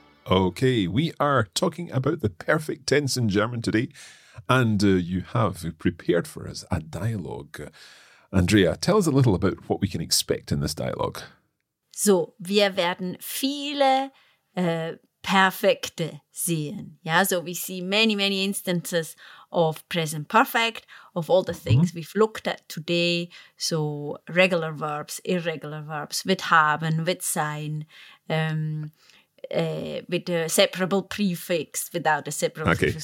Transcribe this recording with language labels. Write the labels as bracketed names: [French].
[English] Okay, we are talking about the perfect tense in German today, and you have prepared for us a dialogue. Andrea, tell us a little about what we can expect in this dialogue. [German] So, wir werden viele Perfekte sehen. [English] Yeah, so we see many, many instances of present perfect, of all the things mm-hmm. we've looked at today. So, regular verbs, irregular verbs, [German] mit haben, mit sein, [English] with a separable prefix, without a separable prefix.